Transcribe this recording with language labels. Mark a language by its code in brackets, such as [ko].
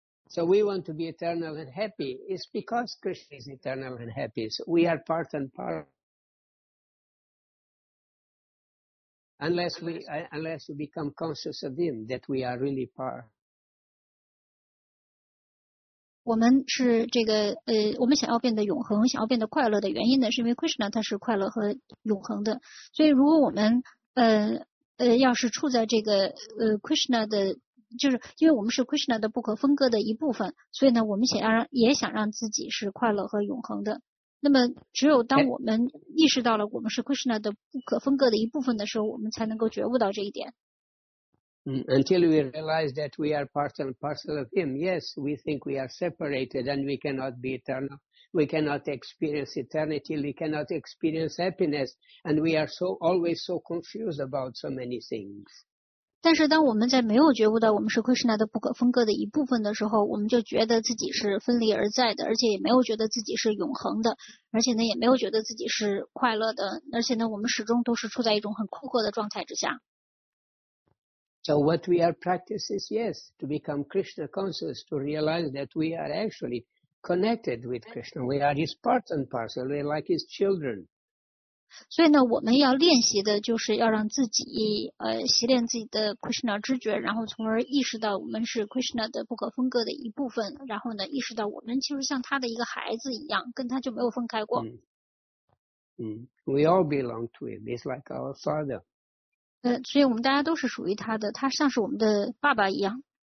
[en] So we want to be eternal and happy. It's because Krishna is eternal and happy. So we are part and parcel. Unless we become conscious of Him, that we are really part. [zh] 我们是这个我们想要变得永恒，想要变得快乐的原因呢，是因为 Krishna 他是快乐和永恒的。所以如果我们要是处在这个Krishna 的，就是因为我们是 Krishna 的不可分割的一部分，所以呢，我们也想让自己是快乐和永恒的。那么只有当我们意识到了我们是 Krishna 的不可分割的一部分的时候，我们才能够觉悟到这一点。 [en] Until we realize that we are part and parcel of Him, yes, we think we are separated and we cannot be eternal. We cannot experience eternity. We cannot experience happiness. And we are so always so confused about so many things. [zh] 但是当我们在没有觉悟到我们是 Krishna 的不可分割的一部分的时候，我们就觉得自己是分离而在的，而且也没有觉得自己是永恒的，而且呢也没有觉得自己是快乐的，而且呢我们始终都是处在一种很困惑的状态之下。 [en] So what we are practicing is yes, to become Krishna conscious, to realize that we are actually connected with Krishna. We are his part and parcel, we are like his children. [zh] 所以呢我们要练习的就是要让自己习练自己的 Krishna 知觉，然后从而意识到我们是 Krishna 的不可分割的一部分，然后呢意识到我们其实像他的一个孩子一样，跟他就没有分开过。 [en] We all belong to him, it's like our father. [zh] 所以我们大家都是属于他的，他像是我们的爸爸一样。